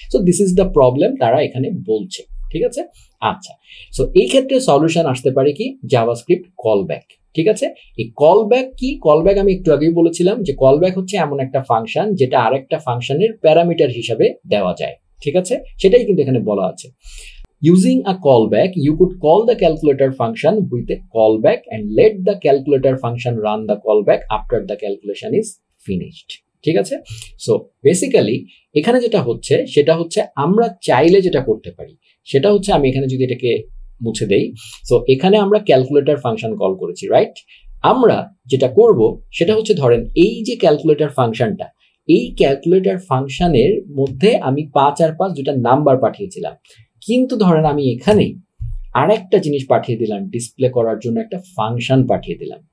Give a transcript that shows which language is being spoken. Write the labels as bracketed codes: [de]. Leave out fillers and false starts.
[en] so this is the problem [bn] তারা এখানে বলছে। ঠিক আছে, আচ্ছা, সো এই ক্ষেত্রে সলিউশন আসতে পারে কি, জাভাস্ক্রিপ্ট কল ব্যাক। ঠিক আছে, এই কল ব্যাক কি, কল ব্যাক আমি একটু আগেই বলেছিলাম যে কল ব্যাক হচ্ছে এমন একটা ফাংশন যেটা আরেকটা ফাংশনের প্যারামিটার হিসাবে দেওয়া যায়। ঠিক আছে, সেটাই কিন্তু এখানে বলা আছে। [en] Using a callback, you could call the calculator function with a callback and let the calculator function run the callback after the calculation is finished. [bn] ঠিক আছে, সো বেসিক্যালি এখানে যেটা হচ্ছে সেটা হচ্ছে আমরা চাইলে যেটা করতে পারি সেটা হচ্ছে আমি এখানে যদি এটাকে মুছে দেই, সো এখানে আমরা ক্যালকুলেটর ফাংশন কল করেছি, রাইট? আমরা যেটা করব সেটা হচ্ছে ধরেন এই যে ক্যালকুলেটর ফাংশনটা, এই ক্যালকুলেটর ফাংশনের মধ্যে আমি 5 আর 5 দুটা নাম্বার পাঠিয়েছিলাম, কিন্তু ধরেন আমি এখানে আরেকটা জিনিস পাঠিয়ে দিলাম, ডিসপ্লে করার জন্য একটা ফাংশন পাঠিয়ে দিলাম।